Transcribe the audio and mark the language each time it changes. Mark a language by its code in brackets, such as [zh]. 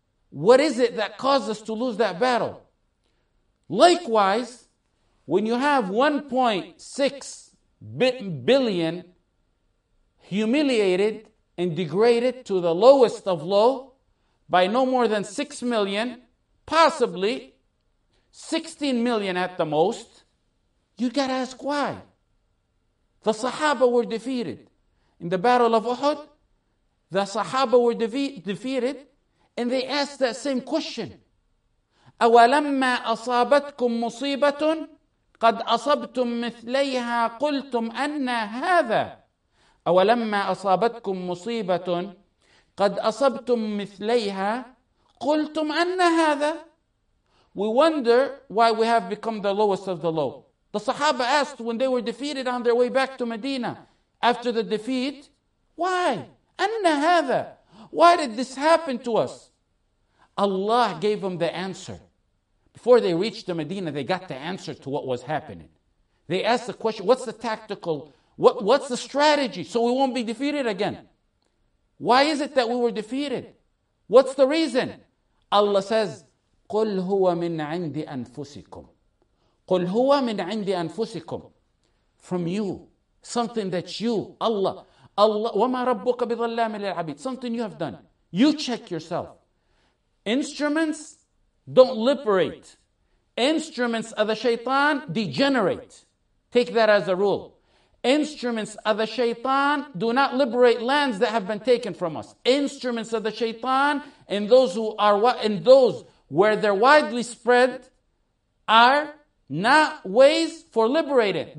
[en] What is it that caused us to lose that battle? Likewise, when you have 1.6 billion humiliated and degraded to the lowest of low by no more than 6 million, possibly 16 million at the most, you got to ask why. The Sahaba were defeated. In the Battle of Uhud, the Sahaba were defeated and they asked that same question. [ar] أَوَلَمَّا أَصَابَتْكُمْ مُصِيبَةٌ قد أصبتم مثليها قلتم أن هذا أولما أصابتكم مصيبة قد أصبتم مثليها قلتم أن هذا. [en] We wonder why we have become the lowest of the low. The Sahaba asked when they were defeated on their way back to Medina after the defeat, why? [ar] أن هذا. [en] Why did this happen to us? Allah gave them the answer. Before they reached the Medina, they got the answer to what was happening. They asked the question, what's the tactical, what's the strategy so we won't be defeated again? Why is it that we were defeated? What's the reason? Allah says, [ar] قُلْ هُوَ مِنْ عِنْدِ أَنفُسِكُمْ قُلْ هُوَ مِنْ عِنْدِ أَنفُسِكُمْ [en] From you, something that you, Allah, Allah, [ar] وَمَا رَبُّكَ بِظَلَّامٍ لِلْعَبِيدِ [en] Something you have done. You check yourself. Instruments don't liberate. Instruments of the shaitan degenerate. Take that as a rule. Instruments of the shaitan do not liberate lands that have been taken from us. Instruments of the shaitan and those who are in those where they're widely spread are not ways for liberating.